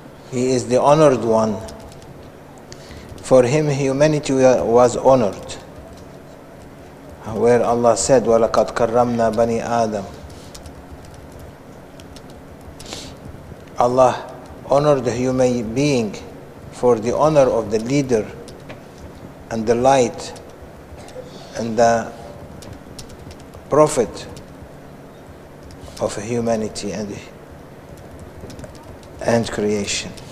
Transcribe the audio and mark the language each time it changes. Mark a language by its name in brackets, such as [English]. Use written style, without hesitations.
[English] He is the honored one. For him, humanity was honored. Where Allah said, [Arabic] وَلَقَدْ كَرَّمْنَا بَنِي آدَمَ. [English] Allah honored the human being for the honor of the leader and the light and the prophet of humanity and creation.